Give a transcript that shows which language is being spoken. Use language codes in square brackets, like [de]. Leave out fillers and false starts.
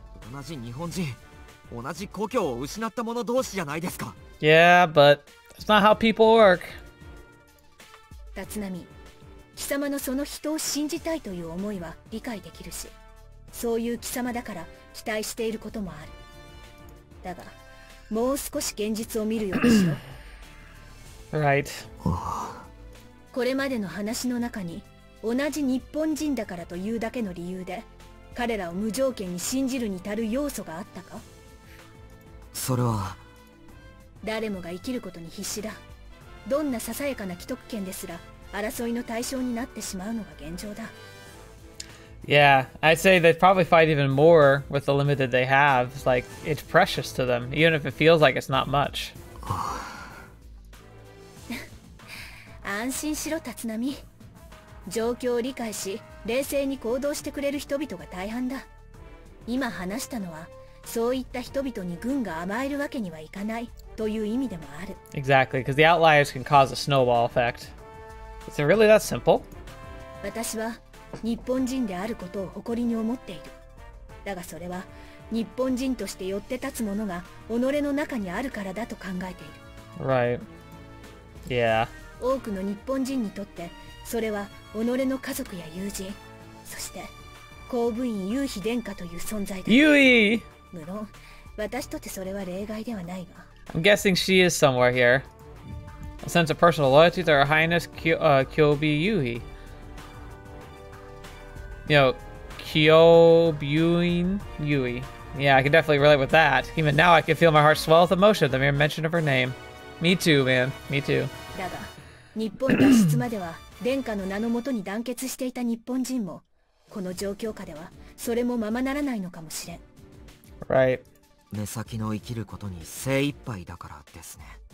[ja] 同じ日本人、同じ故郷を失った者同士じゃないですか。 [en] Yeah, but that's not how people work. [ja] 立浪、貴様のその人を信じたいという思いは理解できるし。そういう貴様だから期待していることもある。だが、もう少し現実を見るようにしろ。 [en] Right. [ja] これまでの話の中に、同じ日本人だからというだけの理由で、彼らを無条件に信じるに足る要素があったか？それは。誰もが生きることに必死だ。どんなささやかな既得権ですら、争いの対象になってしまうのが現状だ。 [en] Yeah, I'd say they'd probably fight even more with the limited they have. It's like, it's precious to them, even if it feels like it's not much. [ja] 安心しろ、立浪。状況を理解し、冷静に行動してくれる人々が大半だ。今話したのは、そういった人々に軍が甘えるわけにはいかないという意味でもある。 [en] Exactly, because the outliers can cause a snowball effect. Is it really that simple? [ja] 私は日本人であることを誇りに思っている。だがそれは日本人として寄って立つものが己の中にあるからだと考えている。 [en] Right. Yeah. [ja] 多くの日本人にとってそれは己の家族や友人、そして公務員夕日殿下という存在だ。夕日。無論私とてそれは例外ではないが。 [en] I'm guessing she is somewhere here. A sense of personal loyalty to her highness Kyobi Yuhi. You know, Kyobuin Yui. Yeah, I can definitely relate with that. Even now, I can feel my heart swell with emotion at the mere mention of her name. Me too, man. Me too. But, [ja] 日本脱出までは、殿下の名のもとに団結していた日本人も、この状況下では、それもままならないのかもしれん。 [en] Right. [ja] 目先の生きることに精一杯だからですね。